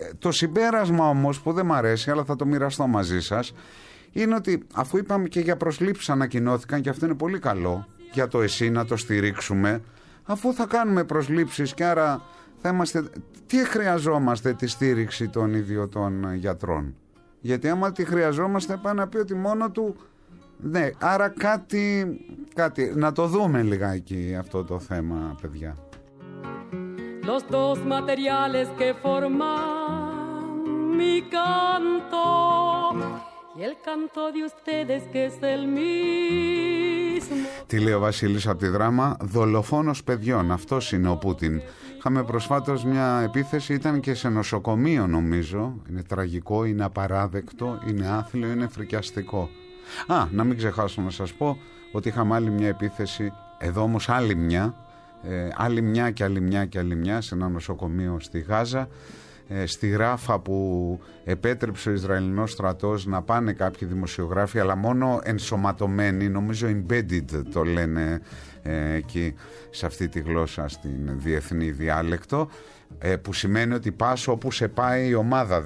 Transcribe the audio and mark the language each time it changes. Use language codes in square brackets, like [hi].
[el] Το συμπέρασμα όμως που δεν μ' αρέσει, αλλά θα το μοιραστώ μαζί σας, είναι ότι αφού είπαμε και για προσλήψεις ανακοινώθηκαν, και αυτό είναι πολύ καλό για το ΕΣΥ να το στηρίξουμε, αφού θα κάνουμε προσλήψεις και άρα θα είμαστε, τι χρειαζόμαστε τη στήριξη των ιδιωτών γιατρών? Γιατί άμα τη χρειαζόμαστε, πάει να πει ότι μόνο του. Ναι, άρα κάτι, να το δούμε λιγάκι αυτό το θέμα, παιδιά. [es] Los dos materiales que forman mi canto y el canto de ustedes que es el mismo. [el] Τι λέει ο Βασίλης από τη Δράμα? Δολοφόνος παιδιών, αυτός είναι ο Πούτιν. Είχαμε προσφάτως μια επίθεση, ήταν και σε νοσοκομείο νομίζω. Είναι τραγικό, είναι απαράδεκτο, είναι άθλιο, είναι φρικιαστικό. Α, να μην ξεχάσω να σας πω ότι είχαμε άλλη μια επίθεση εδώ, όμως άλλη μια, άλλη μια και άλλη μια και άλλη μια, σε ένα νοσοκομείο στη Γάζα, στη Ράφα, που επέτρεψε ο Ισραηλινός στρατός να πάνε κάποιοι δημοσιογράφοι, αλλά μόνο ενσωματωμένοι, νομίζω embedded το λένε εκεί σε αυτή τη γλώσσα, στην διεθνή διάλεκτο, που σημαίνει ότι πας όπου σε πάει η ομάδα.